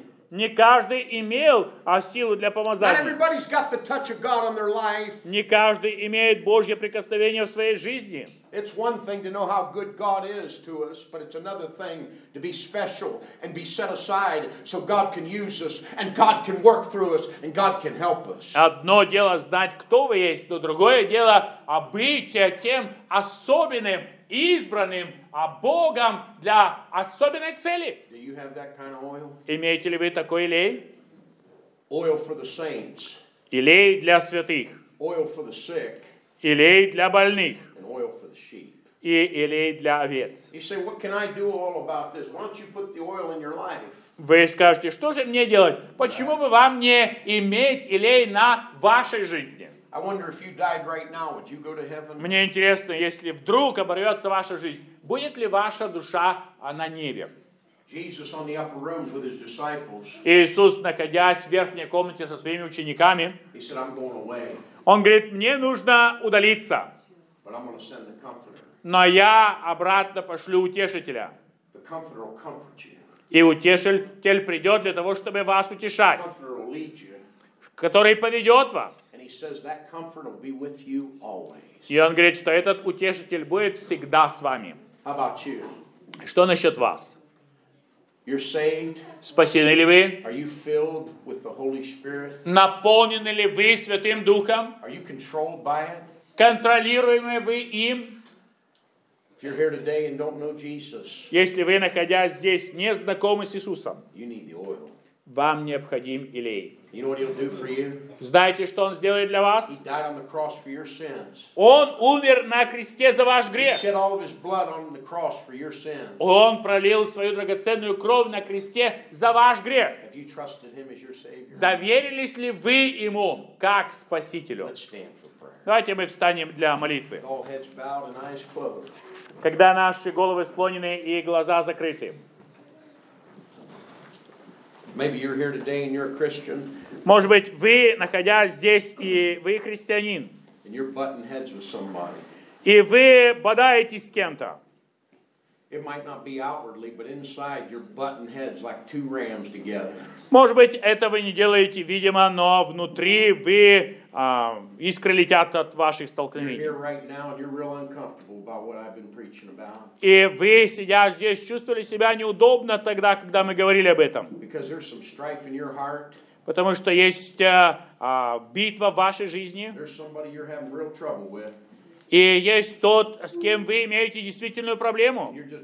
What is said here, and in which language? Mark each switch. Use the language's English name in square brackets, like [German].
[Russian] Не каждый имел силу для помазания. Не каждый имеет Божье прикосновение в своей жизни. [English] It's one thing to know how good God is to us, but it's another thing to be special and be set aside so God can use us and God can work through us and God can help us. [Russian] Одно дело знать, кто вы есть, но другое дело быть тем особенным, избранным Богом для особенной цели. [English] Do you have that kind of oil? [Russian] Имеете ли вы такой елей? [English] Oil for the saints. [Russian] Елей для святых. [English] Oil for the sick. [Russian] Елей для больных. [English] And oil for the sheep. [Russian] и елей для овец. [English] You say, what can I do all about this? Why don't you put the oil in your life? [Russian] Вы скажете, что же мне делать? Почему бы вам не иметь елей на вашей жизни? [English] I wonder if you died right now, would you go to heaven? [Russian] Мне интересно, если вдруг оборвется ваша жизнь, будет ли ваша душа на небе? [English] Jesus on the upper rooms with his disciples. [Russian] Иисус, находясь в верхней комнате со своими учениками, [English] he said, I'm going away. [Russian] Он говорит, мне нужно удалиться. [English] But I'm going to send the comforter. [Russian] Но я обратно пошлю утешителя. [English] The comforter will comfort you. [Russian] И утешитель придет для того, чтобы вас утешать. [English] The comforter will lead you. [Russian] Который поведет вас. [English] And he says, that comfort will be with you always. [Russian] И он говорит, что этот утешитель будет всегда с вами. [English] How about you? [Russian] Что насчет вас? [English] You're saved. [Russian] Спасены ли вы? [English] Are you filled with the Holy Spirit? [Russian] Наполнены ли вы Святым Духом? [English] Are you controlled by it? [Russian] Контролируемы вы им? [English] If you're here today and don't know Jesus, [Russian] если вы, находясь здесь, не знакомы с Иисусом, [English] you need the oil. [Russian] Вам необходим елей. [English] You know what he'll do for you? [Russian] Знаете, что Он сделает для вас? [English] He died on the cross for your sins. [Russian] Он умер на кресте за ваш грех. [English] He shed all of his blood on the cross for your sins. [Russian] Он пролил свою драгоценную кровь на кресте за ваш грех. [English] Have you trusted him as your savior? [Russian] Доверились ли вы Ему как Спасителю? [English] Let's stand for prayer. [Russian] Давайте мы встанем для молитвы. [English] All heads bowed and eyes closed. [Russian] Когда наши головы склонены и глаза закрыты. [English] Maybe you're here today and you're a Christian. [Russian] Может быть, вы, находясь здесь, и вы христианин. [English] And you're butting heads with somebody. [Russian] И вы бодаетесь с кем-то. [English] It might not be outwardly, but inside you're butting heads like two rams together. [Russian] Может быть, это вы не делаете, видимо, но внутри вы искры летят от ваших столкновений. [English] You're here right now and you're real uncomfortable about what I've been preaching about. [Russian] И вы, сидя здесь, чувствовали себя неудобно тогда, когда мы говорили об этом. [English] Because there's some strife in your heart. [Russian] Потому что есть битва в вашей жизни. [English] There's somebody you're having real trouble with. [Russian] И есть тот, с кем вы имеете действительную проблему.